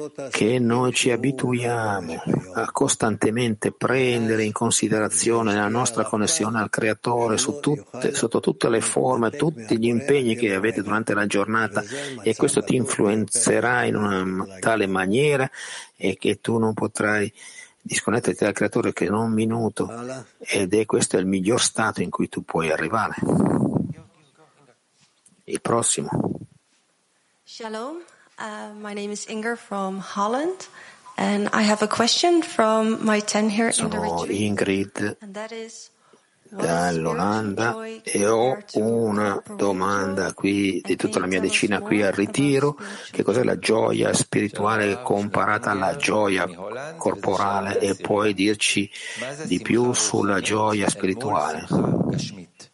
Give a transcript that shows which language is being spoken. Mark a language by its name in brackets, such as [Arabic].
[Italian] che noi ci abituiamo a costantemente prendere in considerazione la nostra connessione al Creatore sotto tutte le forme, tutti gli impegni che avete durante la giornata, e questo ti influenzerà in una tale maniera e che tu non potrai disconnetterti dal Creatore che non un minuto, ed è questo il miglior stato in cui tu puoi arrivare. Il prossimo. [English] Shalom, my name is Inger from Holland, and I have a question from my ten here in the retreat. [Italian] Sono Ingrid dall'Olanda e ho una domanda qui di tutta la mia decina qui al ritiro: che cos'è la gioia spirituale comparata alla gioia corporale, e puoi dirci di più sulla gioia spirituale?